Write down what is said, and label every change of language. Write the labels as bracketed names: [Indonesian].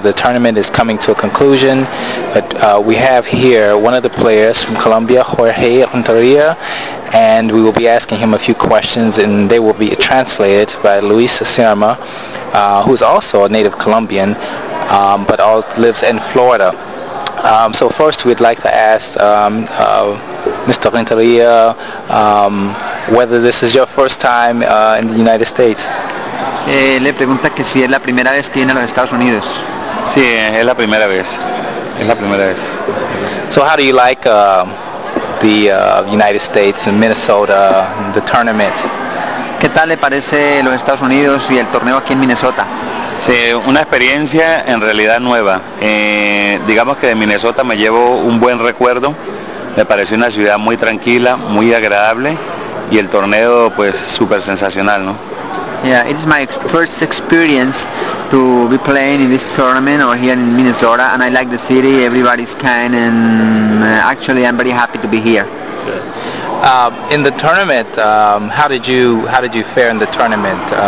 [English] The tournament is coming to a conclusion, but we have here one of the players from Colombia, Jorge Renteria, and we will be asking him a few questions, and they will be translated by Luis Cerma, who is also a native Colombian, but all lives in Florida. So first, we'd like to ask Mr. Renteria, whether this is your first time in the United States. [Spanish] Le pregunta que si es la primera vez que viene a los Estados Unidos. Sí, es la primera vez. Es la primera vez. [English] So how do you like the United States and Minnesota, the tournament? [Spanish] ¿Qué tal le parece los Estados Unidos y el torneo aquí en Minnesota? Sí, una experiencia en realidad nueva. Digamos que de Minnesota me llevo un buen recuerdo. Me pareció una ciudad muy tranquila, muy agradable, y el torneo, pues, super sensacional, ¿no? [English] Yeah, it is my first experience to be playing in this tournament or here in Minnesota, and I like the city. Everybody's kind, and actually, I'm very happy to be here. In the tournament, how did you fare in the tournament?